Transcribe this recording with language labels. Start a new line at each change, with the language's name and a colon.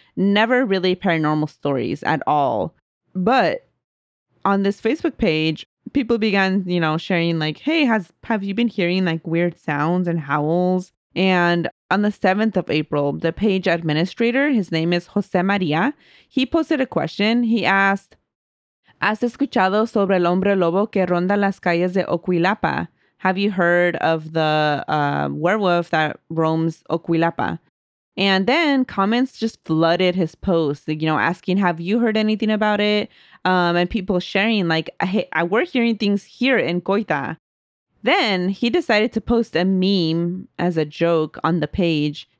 English: Never really paranormal stories at all. But on this Facebook page, people began, sharing like, hey, have you been hearing like weird sounds and howls? And on the 7th of April, the page administrator, his name is Jose Maria, he posted a question. He asked,
Spanish: ¿Has escuchado sobre el hombre lobo que ronda las calles de Oquilapa?
English: Have you heard of the werewolf that roams Oquilapa? And then comments just flooded his post, asking, have you heard anything about it? And people sharing like, hey, we're hearing things here in Coita. Then he decided to post a meme as a joke on the page